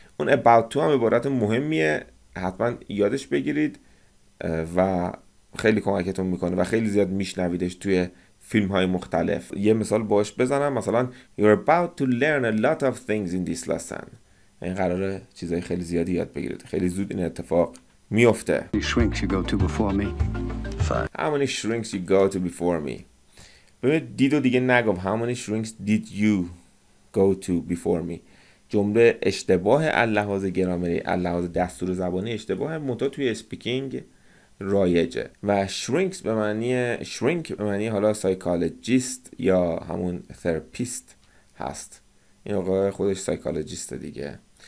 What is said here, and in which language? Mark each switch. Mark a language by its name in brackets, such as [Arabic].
[Persian] اون about to هم عبارت مهمیه، حتما یادش بگیرید و خیلی کمکتون میکنه و خیلی زیاد میشنویدش توی فیلم های مختلف. یه مثال باش بزنم، مثلا [English] you're about to learn a lot of things in this lesson، [Persian] این قراره چیزای خیلی زیادی یاد بگیرید، خیلی زود این اتفاق میفته. [English] How many shrinks you go to before me. [Persian] ببینید دید و دیگه نگفت [English] how many shrinks did you go to before me، [Persian] جمله اشتباه از لحاظ گرامری، از لحاظ دستور زبانی اشتباهه، منتها توی اسپیکینگ رایجه. و shrinks به معنی shrink به معنی حالا سایکالوجیست یا همون therapist هست، این آقا خودش سایکالوجیست دیگه.